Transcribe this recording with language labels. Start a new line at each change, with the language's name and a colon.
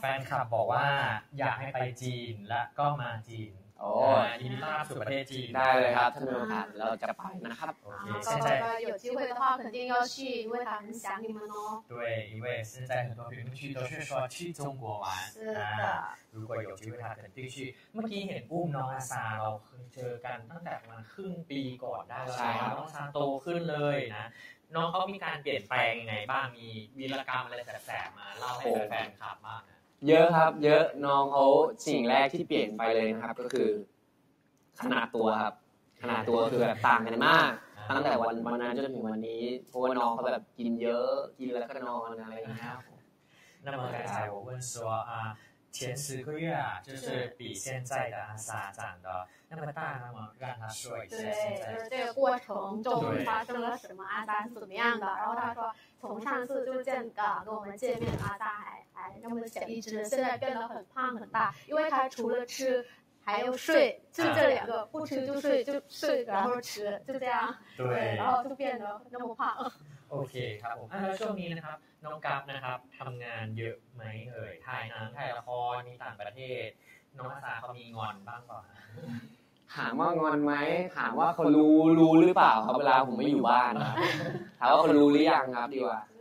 Thai: แฟนคลับบอกว่าอยากให้ไปจีนและก็มาจีน โอ้ยินดีต้อนรับสู่ประเทศจีน ได้เลยครับท่านผู้ชมเราจะไปนะครับ โอเคถ้าได้
Chinese: 有机会的话肯定要去因为他很想你们哦对因为现在很多评论区都是说去中国玩是的如果有机会他肯定去
Thai: เมื่อกี้เห็นปุ้มน้องซาเราเคยเจอกันตั้งแต่มันครึ่งปีก่อนได้แล้วใช่น้องซาโตขึ้นเลยนะน้องเขามีการเปลี่ยนแปลงยังไงบ้างมีวีรกรรมอะไรแสบๆมาเล่าให้แฟนคลับบ้าง เยอะครับเยอะน้องเขาสิ่งแรกที่เปลี่ยนไปเลยนะครับก็คือขนาดตัวครับขนาดตัวคือแบบต่างกันมากตั้งแต่วันนั้นจนถึงวันนี้เพราะว่าน้องเขาแบบกินเยอะกินแล้วก็นอนอะไรอย่างเงี้ย นั่นหมายถึงผม
Chinese: 问说啊前十个月啊就是比现在的阿萨长得那么大那么让他说一下现在这个过程中发生了什么阿萨是怎么样的然后他说从上次就见到跟我们见面阿萨还那么小一只现在变得很胖很大因为他除了吃还有睡就这两个不吃就睡就睡然后吃就这样对然后就变得那么胖
Thai: โอเคครับผมแล้วช่วงนี้นะครับน้องกราฟนะครับทำงานเยอะไหมเอ่ยถ่ายหนังถ่ายละครมีต่างประเทศน้องอาซาเขามีงอนบ้างเปล่า ถามว่างอนไหมถามว่าเขารู้หรือเปล่าครับเวลาผมไม่อยู่บ้านถามว่าเขารู้หรือยังครับดีกว่า